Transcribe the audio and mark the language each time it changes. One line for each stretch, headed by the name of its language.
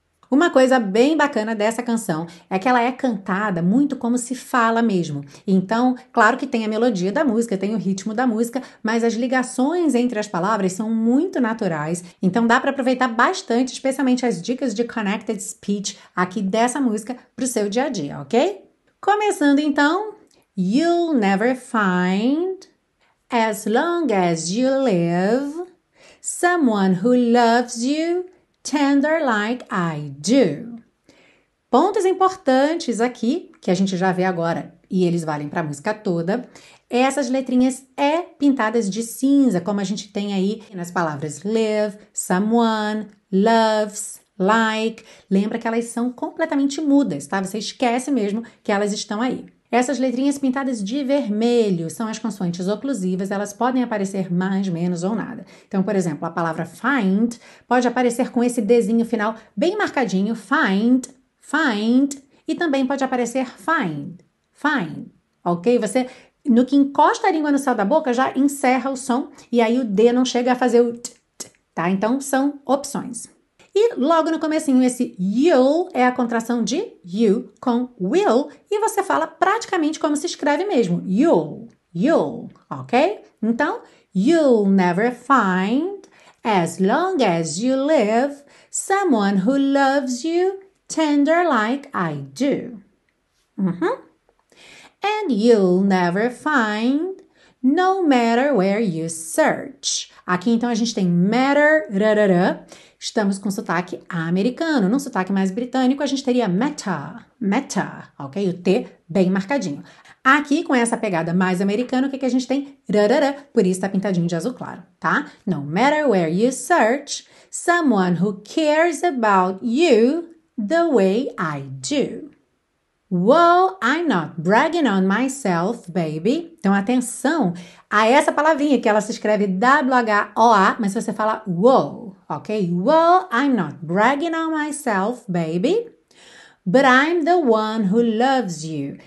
Portuguese: Uma coisa bem bacana dessa canção é que ela é cantada muito como se fala mesmo. Então, claro que tem a melodia da música, tem o ritmo da música, mas as ligações entre as palavras são muito naturais. Então, dá para aproveitar bastante, especialmente as dicas de connected speech aqui dessa música para o seu dia a dia, ok? Começando então,
English: you'll never find as long as you live someone who loves you tender like I do.
Portuguese: Pontos importantes aqui, que a gente já vê agora e eles valem para a música toda, essas letrinhas E pintadas de cinza, como a gente tem aí nas palavras live, someone, loves, like. Lembra que elas são completamente mudas, tá? Você esquece mesmo que elas estão aí. Essas letrinhas pintadas de vermelho são as consoantes oclusivas, elas podem aparecer mais, menos ou nada. Então, por exemplo, a palavra find pode aparecer com esse Dzinho final bem marcadinho, find, find, e também pode aparecer find, find, ok? Você, no que encosta a língua no céu da boca, já encerra o som e aí o D não chega a fazer o t, tá? Então, são opções. E logo no comecinho, esse you'll é a contração de you com will, e você fala praticamente como se escreve mesmo, you'll, you'll, ok? Então,
English: you'll never find, as long as you live, someone who loves you tender like I do. And you'll never find, no matter where you search.
Portuguese: Aqui então a gente tem matter, rarara. Estamos com sotaque americano, num sotaque mais britânico a gente teria meta, meta, ok? O T bem marcadinho. Aqui com essa pegada mais americana, o que que a gente tem? Rarara, por isso tá pintadinho de azul claro, tá?
English: No matter where you search, someone who cares about you the way I do. Well, I'm not bragging on myself, baby.
Portuguese: Então, atenção a essa palavrinha que ela se escreve W-H-O-A, mas você fala whoa, ok?
English: Well, I'm not bragging on myself, baby. But I'm the one who loves you.